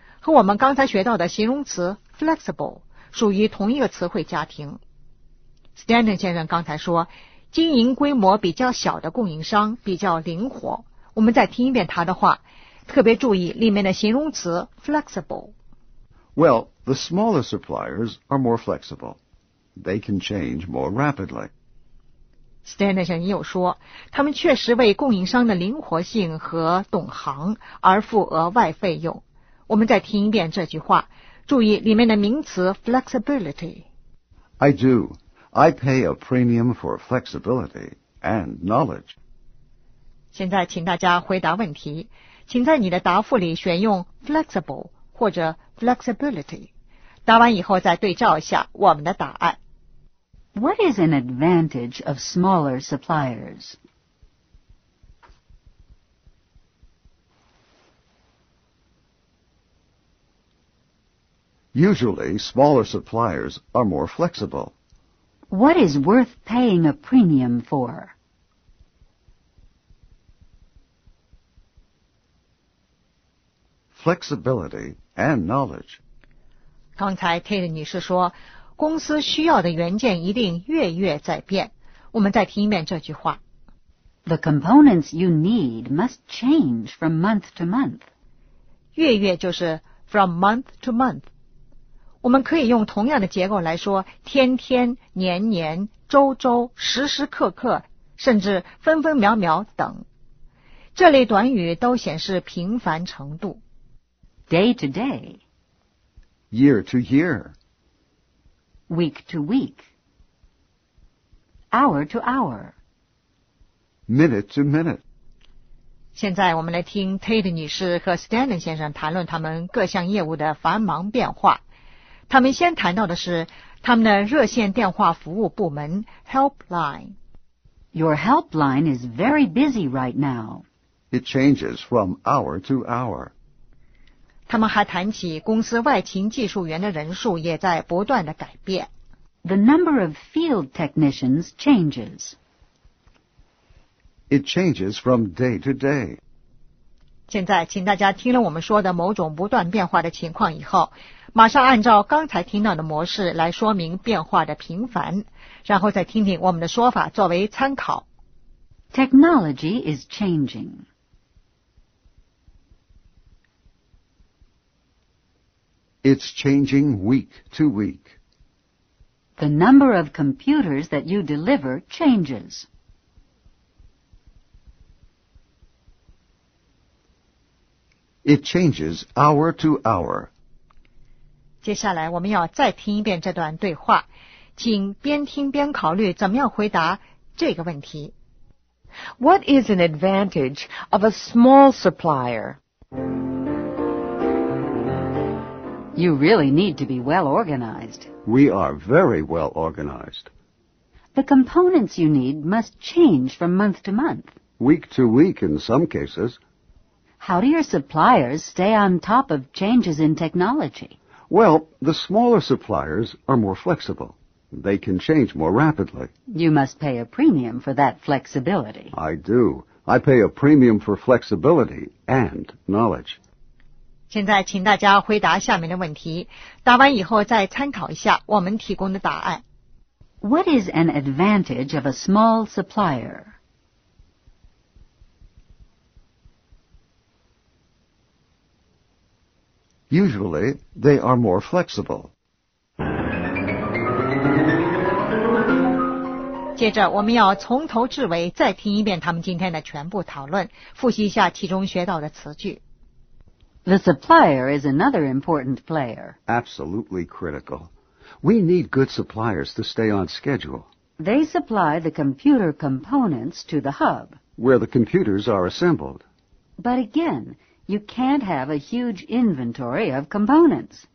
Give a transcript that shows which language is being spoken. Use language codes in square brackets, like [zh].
[zh] 和我们刚才学到的形容词 flexible 属于同一个词汇家庭。 Stanley 先生刚才说，经营规模比较小的供应商比较灵活。我们再听一遍他的话，特别注意里面的形容词 flexible。 [en] Well, the smaller suppliers are more flexible. They can change more rapidly. [zh] Stanley 先生又说，他们确实为供应商的灵活性和懂行而付额外费用。我们再听一遍这句话，注意里面的名词 flexibility。 [en] I do. I pay a premium for flexibility and knowledge. [zh] 现在请大家回答问题，请在你的答复里选用 flexible 或者 flexibility。答完以后再对照一下我们的答案。 [en] What is an advantage of smaller suppliers? Usually, smaller suppliers are more flexible. What is worth paying a premium for? Flexibility and knowledge. [zh] 刚才 Tate 女士说，公司需要的元件一定月月在变。我们再听一遍这句话。 [en] The components you need must change from month to month. [zh] 月月就是 [en] from month to month. [zh] 我们可以用同样的结构来说，天天、年年、周周、时时刻刻，甚至分分秒秒等。这类短语都显示频繁程度。 [en] Day to day. Year to year. Week to week. Hour to hour. Minute to minute. [zh] 现在我们来听 Tate 女士和 Stanley 先生谈论他们各项业务的繁忙变化。他们先谈到的是他们的热线电话服务部门 Helpline. [en] Your helpline is very busy right now. It changes from hour to hour. [zh] 他们还谈起公司外勤技术员的人数也在不断的改变。 [en] The number of field technicians changes. It changes from day to day. [zh] 现在请大家听了我们说的某种不断变化的情况以后，马上按照刚才听到的模式来说明变化的频繁，然后再听听我们的说法作为参考。 [en] Technology is changing. It's changing week to week. The number of computers that you deliver changes. It changes hour to hour. [zh] 接下来我们要再听一遍这段对话，请边听边考虑怎么样回答这个问题。 [en] What is an advantage of a small supplier? You really need to be well organized. We are very well organized. The components you need must change from month to month. Week to week in some cases. How do your suppliers stay on top of changes in technology? Well, the smaller suppliers are more flexible. They can change more rapidly. You must pay a premium for that flexibility. I do. I pay a premium for flexibility and knowledge. [zh] 现在请大家回答下面的问题，答完以后再参考一下我们提供的答案。 [en] What is an advantage of a small supplier? Usually, they are more flexible. [zh] 接着我们要从头至尾再听一遍他们今天的全部讨论，复习一下其中学到的词句。 [en] The supplier is another important player. Absolutely critical. We need good suppliers to stay on schedule. They supply the computer components to the hub. Where the computers are assembled. But again,You can't have a huge inventory of components.